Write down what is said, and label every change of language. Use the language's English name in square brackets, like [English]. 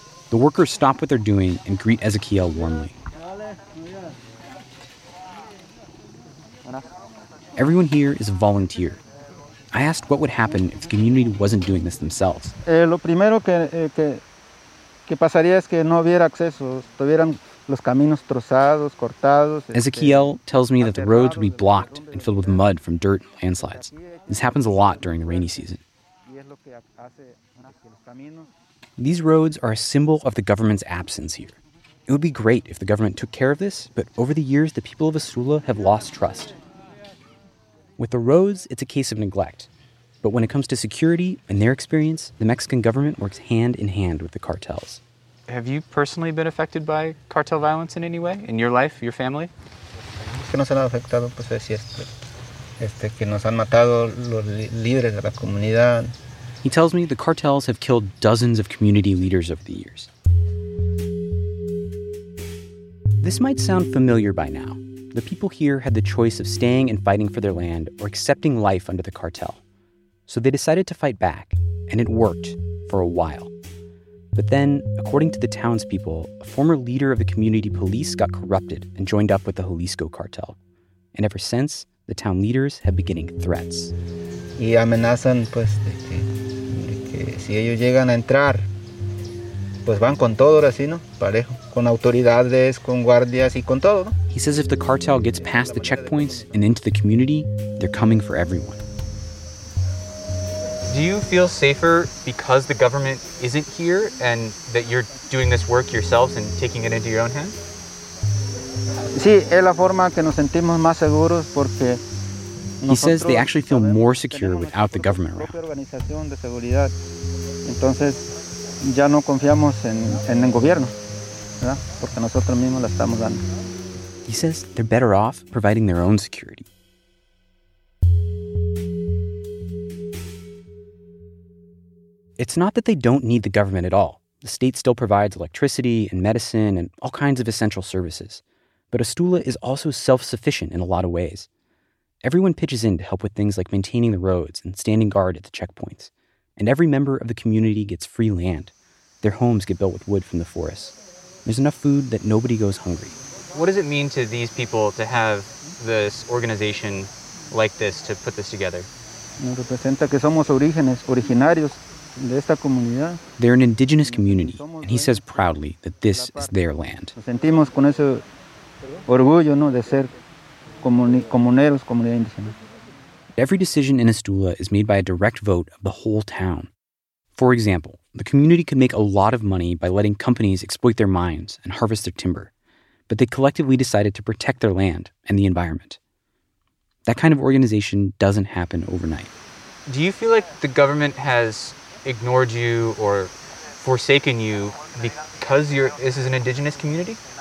[English] The workers stop what they're doing and greet Ezequiel warmly. Everyone here is a volunteer. I asked what would happen if the community wasn't doing this themselves. [Spanish] Lo primero que pasaría es que no hubiera acceso, estuvieran Los caminos trozados, cortados. [English] Ezequiel tells me that the roads would be blocked and filled with mud from dirt and landslides. This happens a lot during the rainy season. These roads are a symbol of the government's absence here. It would be great if the government took care of this, but over the years, the people of Asula have lost trust. With the roads, it's a case of neglect. But when it comes to security, in their experience, the Mexican government works hand in hand with the cartels. Have you personally been affected by cartel violence in any way, in your life, your family? [Spanish] No se han afectado, pues es cierto. Que nos han matado los líderes de la comunidad. [English] He tells me the cartels have killed dozens of community leaders over the years. This might sound familiar by now. The people here had the choice of staying and fighting for their land or accepting life under the cartel. So they decided to fight back, and it worked for a while. But then, according to the townspeople, a former leader of the community police got corrupted and joined up with the Jalisco cartel. And ever since, the town leaders have been getting threats. [Spanish] Y amenazan, pues, de que si ellos llegan a entrar, pues van con todo, así, ¿no? Parejo. Con autoridades, con guardias y con todo, ¿no? [English] He says if the cartel gets past the checkpoints and into the community, they're coming for everyone. Do you feel safer because the government isn't here and that you're doing this work yourselves and taking it into your own hands? [Spanish] Sí, es la forma que nos sentimos más seguros porque... [English] He says they actually feel more secure without the government around. [Spanish] Entonces, ya no confiamos en el gobierno, ¿verdad? Porque nosotros mismos la estamos dando. [English] He says they're better off providing their own security. It's not that they don't need the government at all. The state still provides electricity and medicine and all kinds of essential services. But Asula is also self-sufficient in a lot of ways. Everyone pitches in to help with things like maintaining the roads and standing guard at the checkpoints. And every member of the community gets free land. Their homes get built with wood from the forest. There's enough food that nobody goes hungry. What does it mean to these people to have this organization like this to put this together? It represents [Spanish] que somos orígenes, originarios de esta comunidad. [English] They're an indigenous community, and he says proudly that this is their land. [Spanish] Nos sentimos con ese orgullo, ¿no?, de ser comuneros, comunidad indígena. [English] Every decision in Asula is made by a direct vote of the whole town. For example, the community could make a lot of money by letting companies exploit their mines and harvest their timber, but they collectively decided to protect their land and the environment. That kind of organization doesn't happen overnight. Do you feel like the government has ignored you or forsaken you because this is an indigenous community?